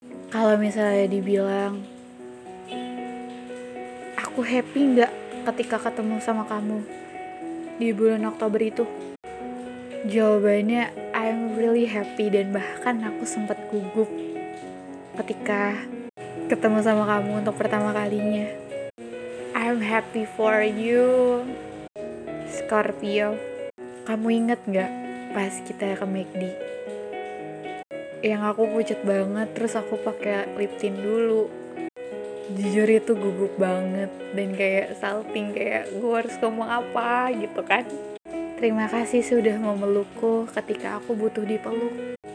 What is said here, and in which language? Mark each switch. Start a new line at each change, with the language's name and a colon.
Indonesian: Kalau misalnya dibilang aku happy gak ketika ketemu sama kamu di bulan Oktober itu, jawabannya
English: I'm really happy.
Indonesian: Dan bahkan aku sempat gugup ketika ketemu sama kamu untuk pertama kalinya.
English: I'm happy for you, Scorpio.
Indonesian: Kamu inget gak pas kita ke McD, yang aku pucat banget, terus aku pakai lip tint dulu. Jujur itu gugup banget dan kayak salting, kayak gue harus ngomong apa gitu kan. Terima kasih sudah memelukku ketika aku butuh dipeluk.